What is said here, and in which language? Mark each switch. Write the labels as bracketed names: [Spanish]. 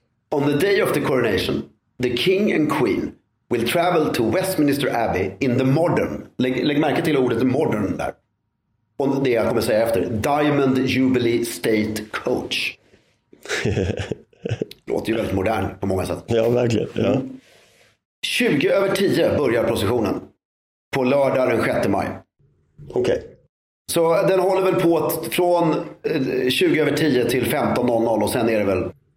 [English] On the day of the coronation, the king and queen will travel to Westminster Abbey in the modern... [Swedish] Lägg märke till ordet modern där. Och det jag kommer säga efter. [English] Diamond Jubilee State Coach. [Swedish] Låter ju väldigt modern på många sätt. Ja, verkligen. Ja. 20 över 10 börjar processionen. På lördag den 6 maj. Okej. Okay. Så den håller väl på från 20 över 10 till 15.00 och sen är det väl...